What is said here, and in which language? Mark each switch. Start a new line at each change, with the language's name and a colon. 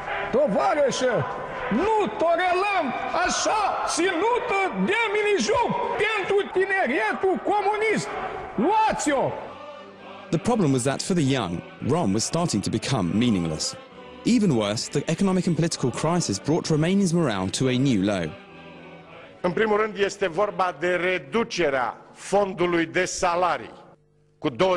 Romanian: Tovarășe, nu tolerăm așa ținută de minijoc pentru tineretul comunist. Luați-o!
English: The problem was that for the young, Rom was starting to become meaningless. Even worse, the economic and political crisis brought Romania's morale to a new low.
Romanian: În primul rând este vorba de reducerea fondului de salarii cu 25%.